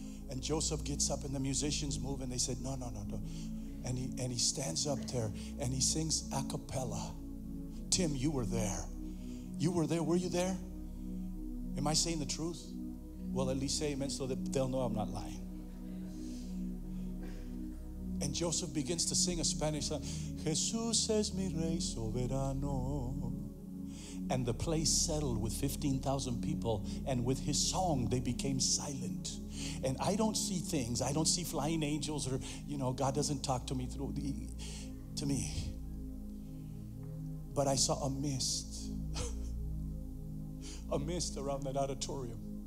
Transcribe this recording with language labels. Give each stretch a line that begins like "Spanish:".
English: And Joseph gets up and the musicians move and they said, no, no, no, no. And he stands up there and he sings a cappella. Tim, you were there. You were there. Were you there? Am I saying the truth? Well, at least say amen so that they'll know I'm not lying. And Joseph begins to sing a Spanish song.
Spanish: Jesús es mi rey soberano.
English: And the place settled with 15,000 people. And with his song, they became silent. And I don't see things. I don't see flying angels or, you know, God doesn't talk to me through the, to me. But I saw a mist. A mist around that auditorium.